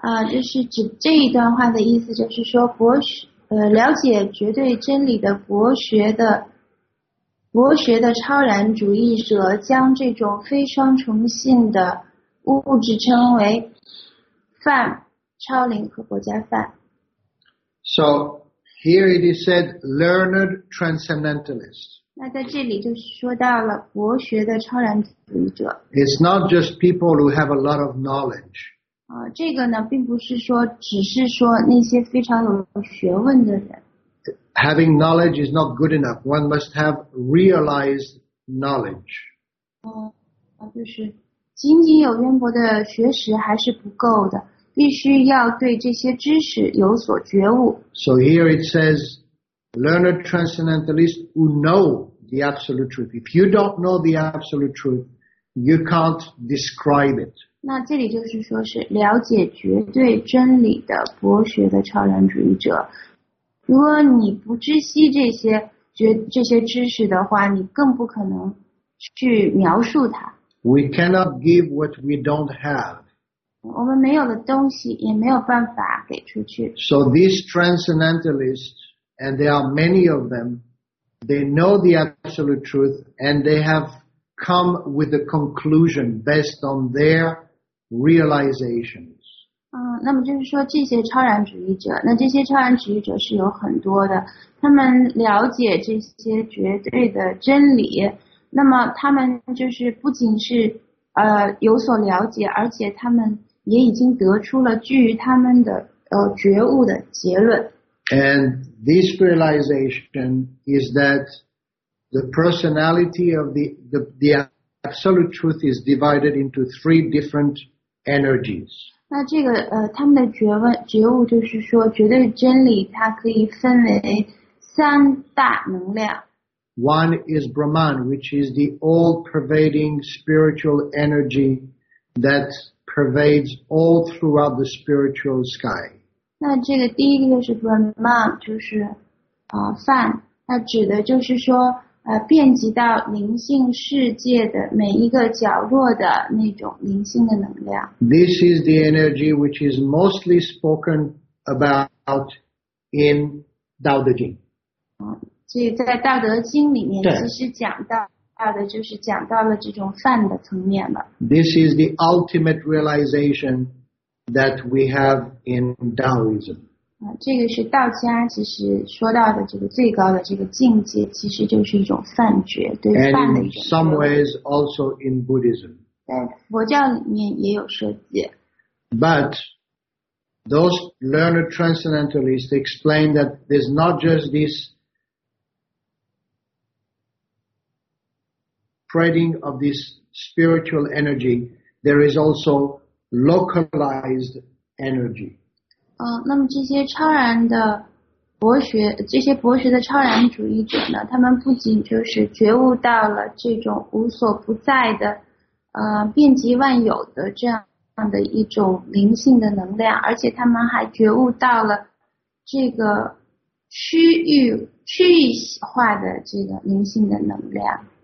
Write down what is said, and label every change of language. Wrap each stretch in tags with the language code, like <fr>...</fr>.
<zh>就是指这一段话的意思，就是说博学了解绝对真理的博学的超然主义者将这种非双重性的物质称为梵。超灵和国家范。</zh> <en>So here it is said, learned transcendentalists.</en> <zh>那在这里就说到了博学的超然主义者。</zh> <en>It's not just people who have a lot of knowledge.</en> <zh>这个呢，并不是说只是说那些非常有学问的人。</zh> <en>Having knowledge is not good enough. One must have realized knowledge.</en> <zh>就是仅仅有渊博的学识还是不够的。必须要对这些知识有所觉悟。</zh> <en>So here it says, learned transcendentalists who know the absolute truth. If you don't know the absolute truth, you can't describe it.</en> <zh>那这里就是说是了解绝对真理的博学的超然主义者。如果你不知悉这些知识的话，你更不可能去描述它。</zh> <en>We cannot give what we don't have.</en> <zh>我们没有的东西也没有办法给出去。</zh> <en>So these transcendentalists, and there are many of them, they know the absolute truth, and they have come with a conclusion based on their realizations.</en> <zh>那么就是说这些超然主义者，那这些超然主义者是有很多的，他们了解这些绝对的真理。那么他们就是不仅是有所了解，而且他们也已经得出了基于他们的觉悟的结论。</zh> <en>And this realization is that the personality of the absolute truth is divided into three different energies.</en> <zh>那这个他们的觉悟就是说，绝对真理它可以分为三大能量。</zh> <en>One is Brahman, which is the all-pervading spiritual energy that pervades all throughout the spiritual sky.</en> <zh>那这个第一个就是 Brahman, 就是梵，那指的就是说遍及到灵性世界的每一个角落的那种灵性的能量。</zh> <en>This is the energy which is mostly spoken about in Tao Te Ching.</en> <zh>所以在道德经里面其实讲到的就是讲到了这种梵的层面了。</zh> <en>This is the ultimate realization that we have in Taoism.</en> <zh>这个是道家其实说到的这个最高的这个境界，其实就是一种梵觉，对梵的一种。</zh> <en>And in some ways also in Buddhism.</en> <zh>在佛教里面也有涉及。</zh> <en>But those learned transcendentalists explain that there's not just this spreading of this spiritual energy, there is also localized energy.</en> <zh>那么这些超然的博学，这些博学的超然主义者呢，他们不仅就是觉悟到了这种无所不在的，遍及万有的这样的一种灵性的能量，而且他们还觉悟到了这个区域化的这个灵性的能量。</zh>